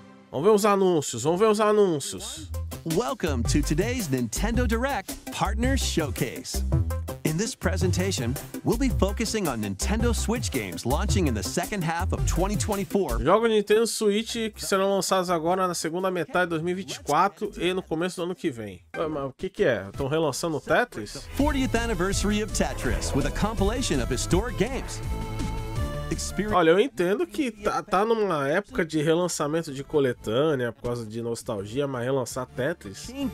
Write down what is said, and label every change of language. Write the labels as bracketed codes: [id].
[pt] Vamos ver os anúncios, vamos ver os anúncios. [en] Welcome to today's Nintendo Direct Partner Showcase. In this presentation, we'll be focusing on Nintendo Switch games launching in the second half of 2024. [pt] Jogos Nintendo Switch que serão lançados agora na segunda metade de 2024 e no começo do ano que vem. Mas o que que é? Estão relançando o Tetris? [en] 40th anniversary of Tetris with a compilation of historic games. [pt] Olha, eu entendo que tá numa época de relançamento de coletânea por causa de nostalgia, mas relançar Tetris.